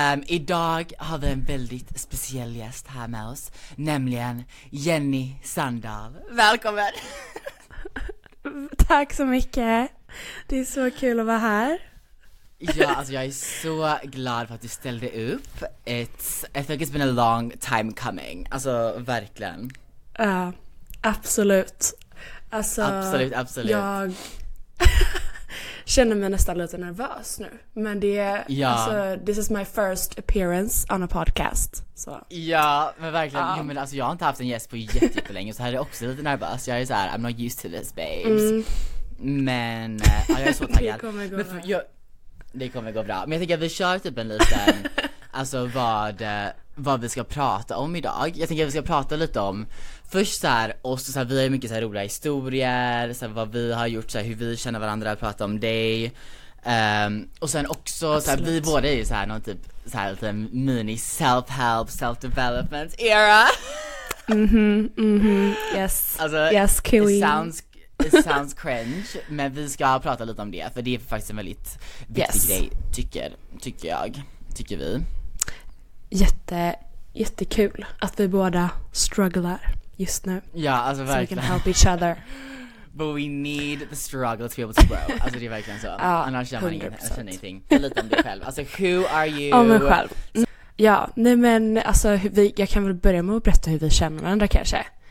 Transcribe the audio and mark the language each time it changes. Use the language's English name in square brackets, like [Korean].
[Swedish] Idag har vi en väldigt speciell gäst här med oss, nämligen Jenny Sandahl. Välkommen! Tack så mycket. Det är så kul att vara här. Ja, alltså jag är så glad för att du ställde upp. [English] I think it's been a long time coming. [Swedish] Alltså, verkligen. Ja, absolut. Alltså, absolut, absolut. Jag känner mig nästan lite nervös nu. Men det är, ja. Alltså, [English] this is my first appearance on a podcast. [Swedish] Så. Ja, men verkligen. Ja, men alltså, jag har inte haft en gäst på jättelänge, så här är jag också lite nervös. Jag är så här, [English] I'm not used to this, babes. [Swedish] Mm. Men jag är så taggad. Det kommer gå bra. Men jag tänker att vi kör typ en liten, alltså vad vi ska prata om idag. Jag tänker att vi ska prata lite om först så här, oss, så här, vi har mycket så här roliga historier, så här, vad vi har gjort, så här, hur vi känner varandra, att prata om dig. Och sen också så här, vi båda är ju så här någon typ så här lite mini [English] self help self development era. Yes, Kiwi. It sounds cringe, [Swedish] men vi ska prata lite om det, för det är faktiskt en väldigt viktig grej, tycker vi. Jättekul att vi båda strugglar just nu. Ja, alltså verkligen. [English] So we can help each other. But we need the struggle to be able to grow. [Swedish] Alltså det är verkligen så. Annars känner man ingenting. Lite om dig själv. Alltså [English] who are you? [Swedish] Om mig själv. Ja, nej men alltså jag kan väl börja med att berätta hur vi känner varandra kanske.